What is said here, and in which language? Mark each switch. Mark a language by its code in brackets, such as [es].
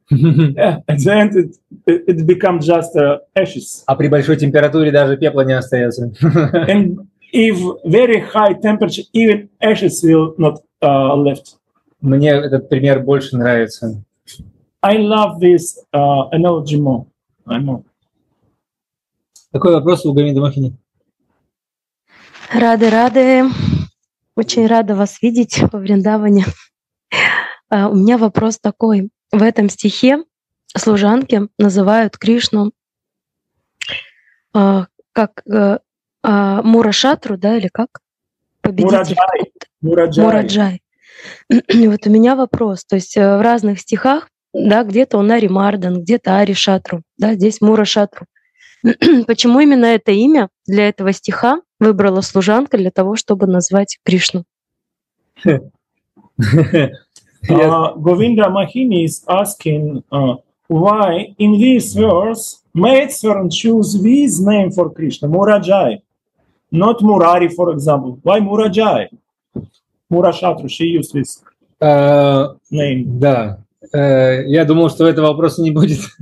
[en] Yeah, at the end it becomes just ashes. [ru] А при большой температуре даже пепла не остается. [en] And if very high temperature, even ashes will not left. [ru] Мне этот пример больше нравится. [en] I love this analogy more. I know. [ru] Какой вопрос у Гамиды Махини? Рады. Очень рада вас видеть во Вриндаване. У меня вопрос такой. В этом стихе служанки называют Кришну как Мурашатру, да, или как? Победитель. Мураджай. Вот у меня вопрос. То есть в разных стихах, да, где-то он Аримардан, где-то Аришатру, да, здесь Мурашатру. Почему именно это имя для этого стиха выбрала служанка для того, чтобы назвать Кришну? [en] Yes. Govinda Mahini is asking why in this verse Maitswaran choose this name for Krishna, Murajai, not Murari, for example. Why Murajai? Murashatru, she used this name. [ru] Да, я думал, что этого вопроса не будет.